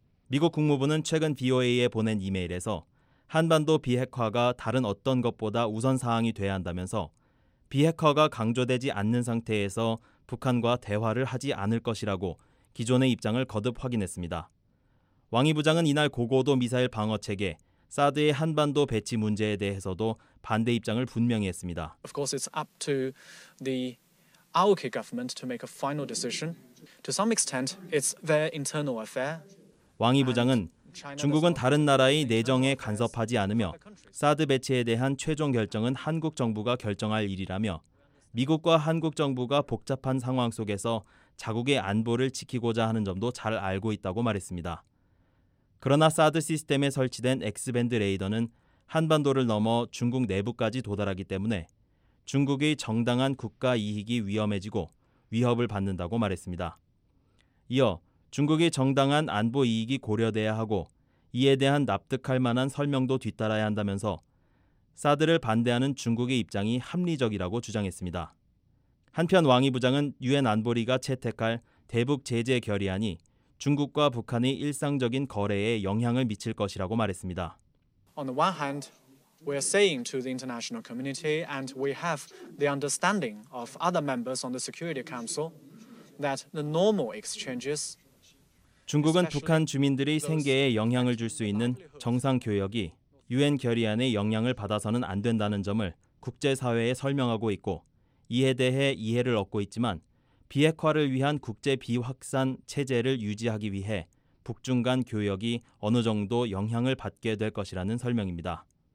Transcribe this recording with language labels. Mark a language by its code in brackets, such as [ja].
[ko] 미국 국무부는 최근 VOA에 보낸 이메일에서 한반도 비핵화가 다른 어떤 것보다 우선사항이 돼야 한다면서 비핵화가 강조되지 않는 상태에서 북한과 대화를 하지 않을 것이라고 기존의 입장을 거듭 확인했습니다. 왕이 부장은 이날 고고도 미사일 방어체계, 사드의 한반도 배치 문제에 대해서도 반대 입장을 분명히 했습니다. [en] Of course, it's up to the AOK government to make a final decision. To some extent, it's their internal affair. [ko] 왕이 부장은 중국은 다른 나라의 내정에 간섭하지 않으며 사드 배치에 대한 최종 결정은 한국 정부가 결정할 일이라며 미국과 한국 정부가 복잡한 상황 속에서 자국의 안보를 지키고자 하는 점도 잘 알고 있다고 말했습니다. 그러나 사드 시스템에 설치된 X밴드 레이더는 한반도를 넘어 중국 내부까지 도달하기 때문에 중국의 정당한 국가 이익이 위험해지고 위협을 받는다고 말했습니다. 이어 중국의 정당한 안보 이익이 고려돼야 하고 이에 대한 납득할 만한 설명도 뒤따라야 한다면서 사드를 반대하는 중국의 입장이 합리적이라고 주장했습니다. 한편 왕이 부장은 유엔 안보리가 채택할 대북 제재 결의안이 중국과 북한의 일상적인 거래에 영향을 미칠 것이라고 말했습니다. [en] On the one hand, we are saying to the international community and we have the understanding of other members on the Security Council that the normal exchanges [ko] 중국은 북한 주민들의 생계에 영향을 줄 수 있는 정상 교역이 유엔 결의안의 영향을 받아서는 안 된다는 점을 국제사회에 설명하고 있고 이에 대해 이해를 얻고 있지만 비핵화를 위한 국제 비확산 체제를 유지하기 위해 북중 간 교역이 어느 정도 영향을 받게 될 것이라는 설명입니다.